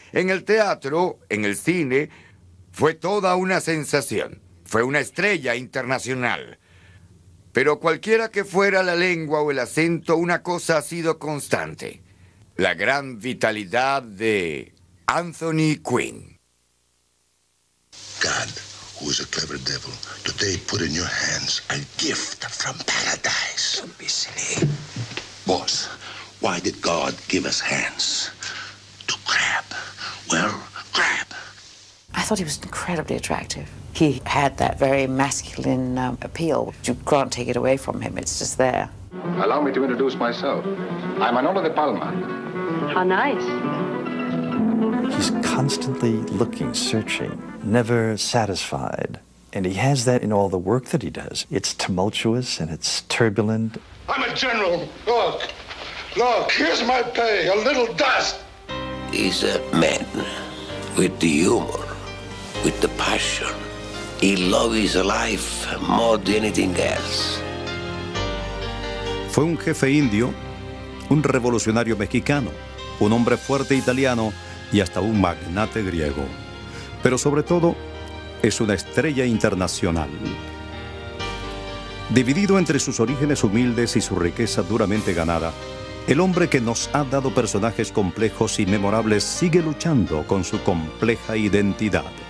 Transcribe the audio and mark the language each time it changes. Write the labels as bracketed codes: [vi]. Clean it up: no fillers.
[es] En el teatro, en el cine, fue toda una sensación. Fue una estrella internacional. Pero cualquiera que fuera la lengua o el acento, una cosa ha sido constante: la gran vitalidad de Anthony Quinn. [en] God, who is a clever devil, today put in your hands a gift from paradise. Don't be silly. Boss, why did God give us hands? To grab. Well, grab. I thought he was incredibly attractive. He had that very masculine appeal. You can't take it away from him. It's just there. Allow me to introduce myself. I'm Manolo de Palma. How nice. He's constantly looking, searching, never satisfied. And he has that in all the work that he does. It's tumultuous and it's turbulent. I'm a general. Look. Look, here's my pay. A little dust. He's a man with the humor, with the passion. He loves his life more than anything else. [es] Fue un jefe indio, un revolucionario mexicano, un hombre fuerte italiano y hasta un magnate griego. Pero sobre todo, es una estrella internacional. Dividido entre sus orígenes humildes y su riqueza duramente ganada, el hombre que nos ha dado personajes complejos y memorables sigue luchando con su compleja identidad.